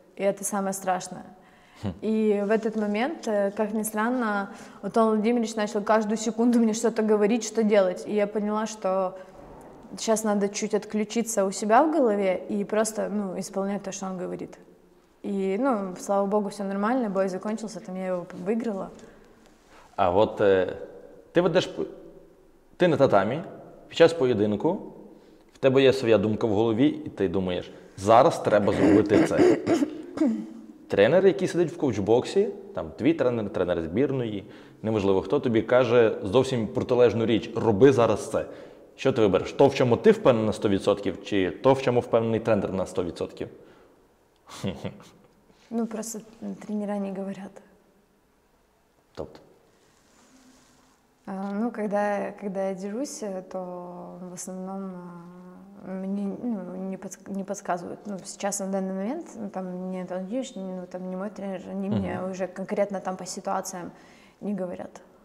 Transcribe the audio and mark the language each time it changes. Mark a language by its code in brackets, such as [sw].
[ru] И это самое страшное. И в этот момент, как ни странно, вот Антон Владимирович начал каждую секунду мне что-то говорить, что делать. И я поняла, что сейчас надо чуть отключиться у себя в голове и просто, ну, исполнять то, что он говорит. И, ну, слава богу, все нормально, бой закончился, там я его выиграла. А вот ты ведешь, ты [uk] на татамі, під час поєдинку, в тебе є своя думка в голові, і ти думаєш, зараз треба зробити це. Тренер, який сидить в коуч-боксі, там твій тренер, тренер збірної, неможливо, хто тобі каже зовсім протилежну річ, роби зараз це. Що ти вибереш? То, в чому ти впевнений на 100%, чи то, в чому впевнений тренер на 100%? [ru] Ну, просто тренера не говорят. [uk] Тобто? [ru] Ну, когда я дерусь, то в основном мне, ну, не подсказывают. Ну, сейчас, на данный момент, ну, там, не Антон Юрьевич, ну, там, не мой тренер, они мне уже конкретно там по ситуациям не говорят.